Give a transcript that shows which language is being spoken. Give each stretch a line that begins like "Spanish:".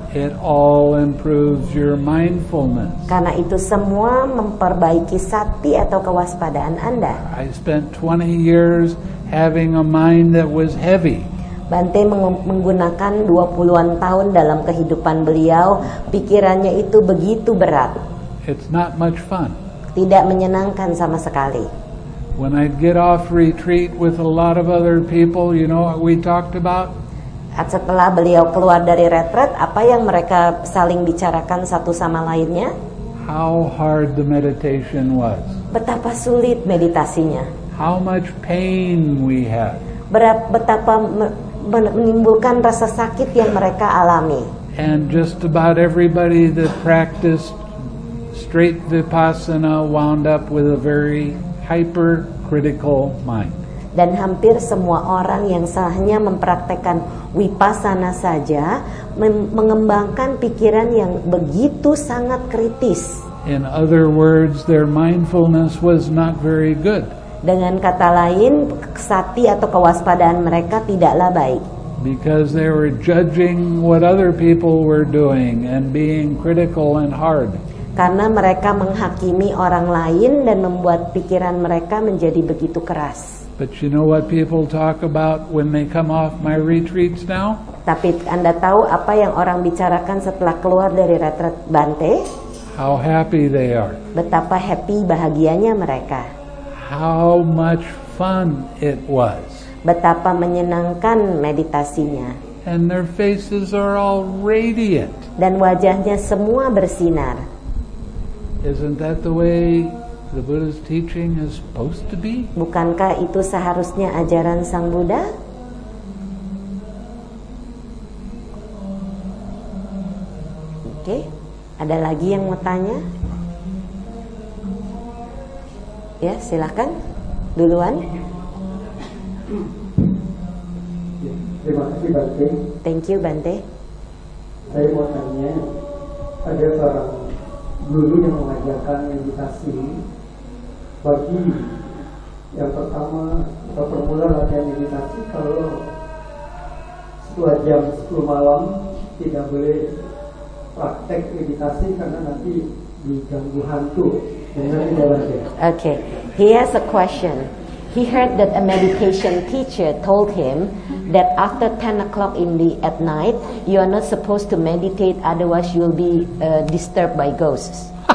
English: It all improves your mindfulness.
Indonesian: Karena itu semua memperbaiki sati atau kewaspadaan Anda.
English: I spent 20 years having a mind that was heavy.
Indonesian: Bante menggunakan 20-an tahun dalam kehidupan beliau, pikirannya itu begitu berat.
English: It's not much fun.
Indonesian: Tidak menyenangkan sama sekali.
English: When I'd get off retreat with a lot of other people, you know what we talked about?
Indonesian: Setelah beliau keluar dari retret, apa yang mereka saling bicarakan satu sama lainnya?
English: How hard the meditation was.
Indonesian: Betapa sulit meditasinya.
English: How much pain we had.
Indonesian: Betapa menimbulkan rasa sakit yang mereka alami.
English: And just about everybody that practiced straight vipassana wound up with a very hypercritical mind.
Indonesian: Dan hampir semua orang yang hanya mempraktekkan vipassana saja mengembangkan pikiran yang begitu sangat kritis.
English: In other words, their mindfulness was not very good.
Indonesian: Dengan kata lain, sati atau kewaspadaan mereka tidaklah baik.
English: Because they were judging what other people were doing and being critical and hard.
Indonesian: Karena mereka menghakimi orang lain dan membuat pikiran mereka menjadi begitu keras.
English: But you know what people talk about when they come off my retreats now?
Indonesian: Tapi Anda tahu apa yang orang bicarakan setelah keluar dari retret Bante?
English: How happy they are.
Indonesian: Betapa happy bahagianya mereka.
English: How much fun it was.
Indonesian: Betapa menyenangkan meditasinya.
English: And their faces are all radiant.
Indonesian: Dan wajahnya semua bersinar.
English: Isn't that the way the Buddha's teaching is supposed to be?
Indonesian: Bukankah itu seharusnya ajaran Sang Buddha? Oke, ada lagi yang mau tanya? Ya, silakan. Duluan. Terima kasih Bante.
English: Thank you Bante.
Indonesian: Saya mau tanya, ada seorang guru yang mengajarkan meditasi bagi yang pertama atau permula latihan meditasi, kalau setelah jam 10 malam tidak boleh praktek meditasi karena nanti diganggu hantu.
English: Okay, he has a question. He heard that a meditation teacher told him that after 10 o'clock at night, you are not supposed to meditate, otherwise you will be disturbed by ghosts.